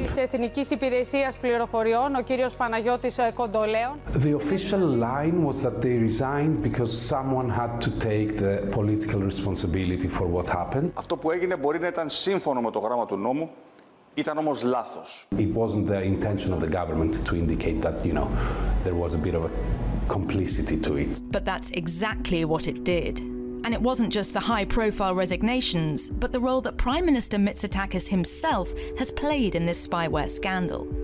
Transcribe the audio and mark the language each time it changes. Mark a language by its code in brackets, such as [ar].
[el] Της Εθνικής Υπηρεσίας Πληροφοριών, ο κύριος Παναγιώτης Κοντολέων. [en] The official line was that they resigned because someone had to take the political responsibility for what happened. [el] Αυτό που έγινε μπορεί να ήταν σύμφωνο με το γράμμα του νόμου. Ήταν όμως λάθος. [en] It wasn't the intention of the government to indicate that, you know, there was a bit of a complicity to it. But that's exactly what it did. And it wasn't just the high-profile resignations, but the role that Prime Minister Mitsotakis himself has played in this spyware scandal.